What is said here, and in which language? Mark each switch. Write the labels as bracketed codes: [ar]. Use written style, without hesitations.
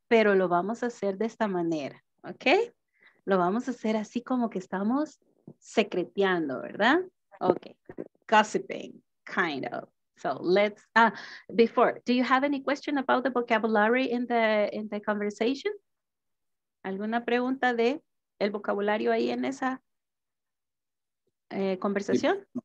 [es] Pero lo vamos a hacer de esta manera. ¿Ok? Lo vamos a hacer así como que estamos secreteando, ¿verdad? [en] Ok. Gossiping, kind of. So let's, before, do you have any question about the vocabulary in the conversation? [es] ¿Alguna pregunta de el vocabulario ahí en esa conversación?